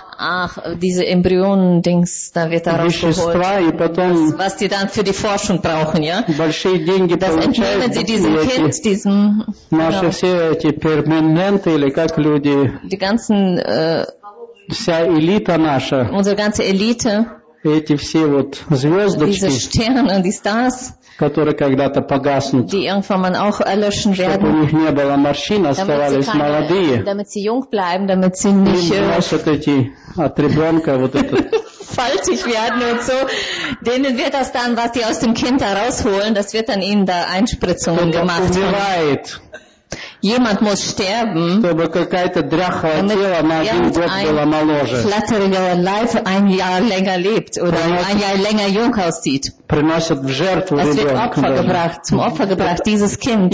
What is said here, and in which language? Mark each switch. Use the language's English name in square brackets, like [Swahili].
[German] Ach, diese Embryonen-Dings, da wird er rausgeholt. Was die dann für die Forschung brauchen, ja? Das entnehmen sie diesem Kind, diesem... [Russian] Наши все эти перманенты, или как люди... [German] Die ganzen... [Russian] Вся элита наша. [German] Unsere ganze Elite. [Russian] Эти все вот звездочки. [German] Diese Sterne, die Stars. [Russian] Которые когда-то погаснут. [German] Die irgendwann man auch erlöschen werden. [Russian] Чтобы у них не было морщин, оставались [German] damit [Russian] молодые. [German] Damit sie jung bleiben, damit sie nicht... [Russian] Вот эти, от ребенка вот это... [German] Faltig werden und so. Denen wird das dann, was die aus dem Kind herausholen, das wird dann ihnen da Einspritzungen gemacht. Umgeweiht. Jemand muss sterben, [Russian] чтобы какая-то дряхлое тело на один год было моложе. [German] Flatteriger Leib ein Jahr länger lebt oder ein Jahr länger jung aussieht. [Russian] Приносят в жертву ребенка. [German] Das wird Opfer gebracht, zum Opfer gebracht, dieses Kind.